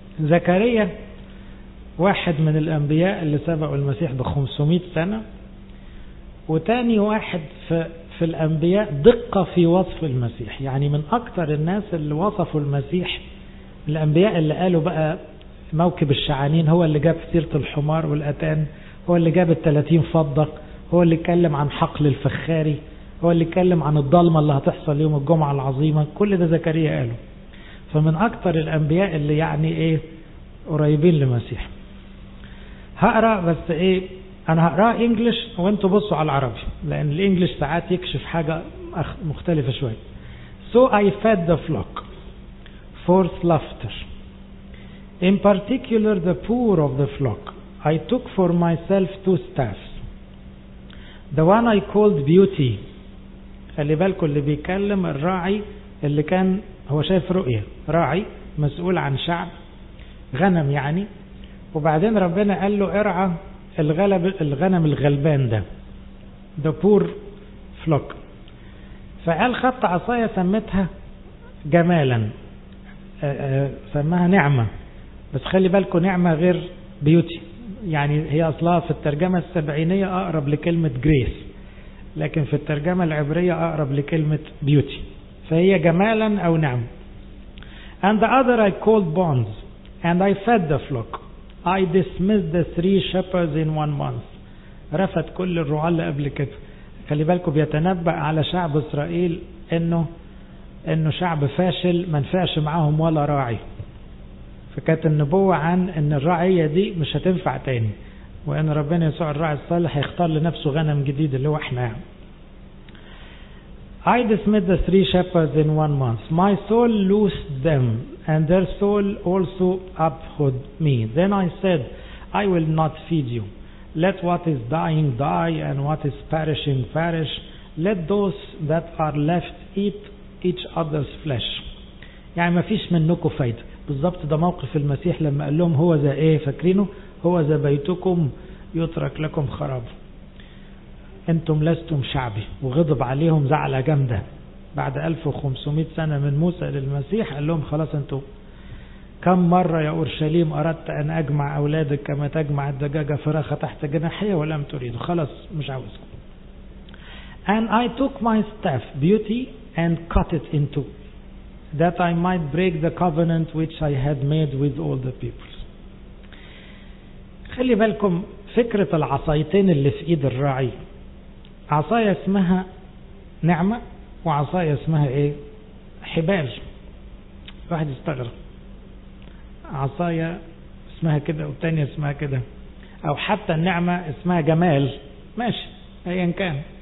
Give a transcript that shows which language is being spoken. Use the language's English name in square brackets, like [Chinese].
[Arabic] زكريا واحد من الانبياء اللي سبقوا المسيح ب 500 سنه، وتاني واحد في الانبياء دقه في وصف المسيح، يعني من اكثر الناس اللي وصفوا المسيح، الانبياء اللي قالوا بقى موكب الشعانين هو اللي جاب سيره الحمار والاتان، هو اللي جاب ال 30 فضه، هو اللي اتكلم عن حقل الفخاري، هو اللي اتكلم عن الضلمة اللي هتحصل يوم الجمعة العظيمة، كل ده زكريا قاله. فمن أكثر الأنبياء اللي يعني إيه قريبين لمسيح. هقرأ بس إيه، أنا هقرأ إنجليش وأنتوا بصوا على العربي، لأن الإنجليش ساعات يكشف حاجة مختلفة شوية. [English] So I fed the flock for slaughter. In particular the poor of the flock I took for myself two staffs. The one I called beauty. [Arabic] خلي بالكم اللي بيكلم الراعي اللي كان هو شايف رؤية، راعي مسؤول عن شعب غنم يعني، وبعدين ربنا قال له ارعى الغنم الغلبان ده، [English] the poor flock. [Arabic] فقال خط عصاية سمتها جمالا، سمها نعمة، بس خلي بالكم نعمة غير بيوتي، يعني هي أصلها في الترجمة السبعينية أقرب لكلمة جريس، لكن في الترجمة العبرية أقرب لكلمة بيوتي، فهي جمالا أو نعم. [English] And the other I called bonds and I fed the flock. I dismissed the three shepherds in one month. [Arabic] رفت كل الرعاة قبل كده. خلي بالكم بيتنبأ على شعب إسرائيل إنه شعب فاشل، ما نفعش معهم ولا راعي. فكانت النبوة عن إن الرعية دي مش هتنفع تاني، وان ربنا يسوع الراعي الصالح يختار لنفسه غنم جديد اللي هو احنا. [English] I dismissed the three shepherds in one month. My soul loosed them and their soul also uphood me. Then I said, I will not feed you. Let what is dying die and what is perishing perish. Let those that are left eat each other's flesh. [Arabic] يعني ما فيش منكم فايدة. بالضبط ده موقف المسيح لما قال لهم هو ذا ايه، فاكرينه؟ هو ذا بيتكم يترك لكم خراب، انتم لستم شعبي. وغضب عليهم زعلة جامدة بعد 1500 سنة من موسى للمسيح، قال لهم خلاص انتم. كم مرة يا أورشليم أردت أن أجمع أولادك كما تجمع الدجاجة فراخة تحت جناحية ولم تريدوا، خلاص مش عاوزكم. [English] And I took my staff beauty and cut it in two that I might break the covenant which I had made with all the people. [Arabic] خلي بالكم فكرة العصايتين اللي في ايد الراعي، عصاية اسمها نعمة وعصاية اسمها ايه حبال. واحد يستغرب عصاية اسمها كده والتانية اسمها كده، او حتى النعمة اسمها جمال، ماشي ايا كان.